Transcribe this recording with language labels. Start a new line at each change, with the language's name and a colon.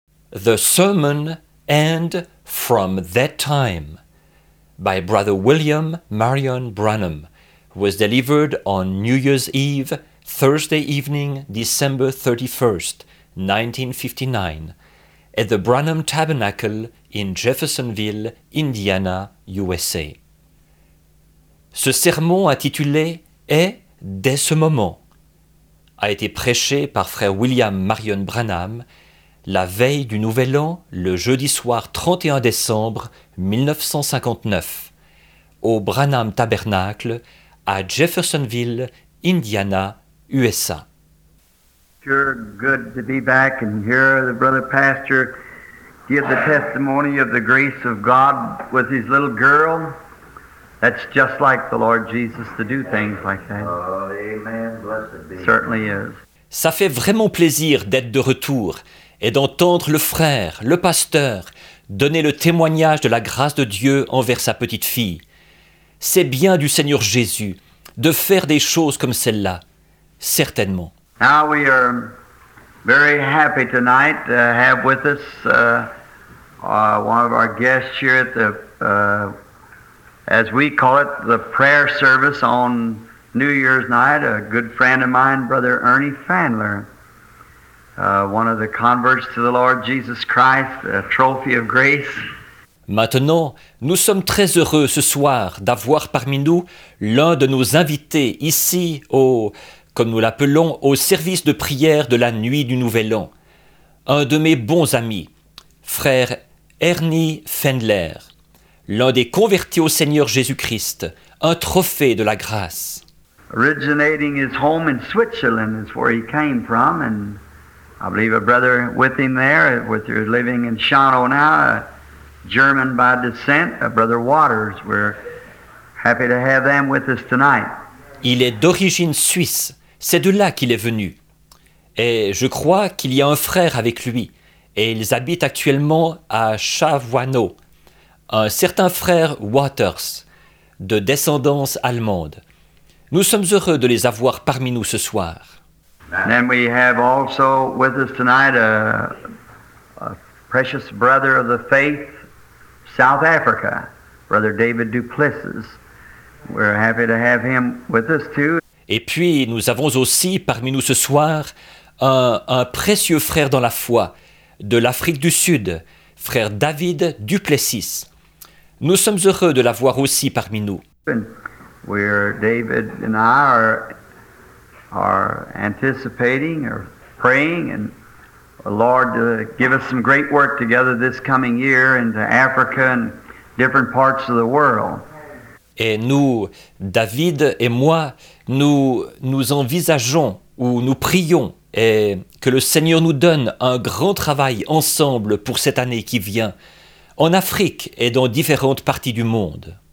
English: The Sermon and From That Time by Brother William Marion Branham was delivered on New Year's Eve, Thursday evening, December 31st, 1959, at the Branham Tabernacle in Jeffersonville, Indiana, USA.
French: Ce sermon intitulé Est dès ce moment a été prêché par Frère William Marion Branham la veille du Nouvel An, le jeudi soir 31 décembre 1959, au Branham Tabernacle à Jeffersonville, Indiana, USA.
English: Sure, good to be back and hear the brother pastor give the testimony of the grace of God with his little girl. That's just like the Lord Jesus to do things like that. Oh, amen. Blessed be. Certainly is.
French: Ça fait vraiment plaisir d'être de retour et d'entendre le frère, le pasteur, donner le témoignage de la grâce de Dieu envers sa petite fille. C'est bien du Seigneur Jésus de faire des choses comme celle-là, certainement.
English: Now we are very happy tonight to have with us one of our guests here at the, as we call it, the prayer service on New Year's night, a good friend of mine, Brother Ernie Fandler. One of the converts to the Lord Jesus Christ, a trophy of grace.
French: Maintenant, nous sommes très heureux ce soir d'avoir parmi nous l'un de nos invités ici au, comme nous l'appelons, au service de prière de la nuit du Nouvel An. Un de mes bons amis, frère Ernie Fandler, l'un des convertis au Seigneur Jésus-Christ, un trophée de la grâce.
English: Originating his home in Switzerland is where he came from, and I believe a brother with him there, with you living in Shawano now, a German by descent, a brother Waters. We're happy to have them with us tonight.
French: Il est d'origine suisse. C'est de là qu'il est venu. Et je crois qu'il y a un frère avec lui. Et ils habitent actuellement à Shawano. Un certain frère Waters, de descendance allemande. Nous sommes heureux de les avoir parmi nous ce soir.
English: And then we have also with us tonight a precious brother of the faith, South Africa, Brother David Duplessis. We're happy to have him with us too.
French: Et puis nous avons aussi parmi nous ce soir un précieux frère dans la foi de l'Afrique du Sud, frère David Duplessis. Nous sommes heureux de l'avoir aussi parmi nous.
English: And we're David and I are anticipating or praying and the Lord to give us some great work together this coming year into Africa and different parts of the world.
French: Et nous, David et moi, nous envisageons ou nous prions et que le Seigneur nous donne un grand travail ensemble pour cette année qui vient en Afrique et dans différentes parties du monde.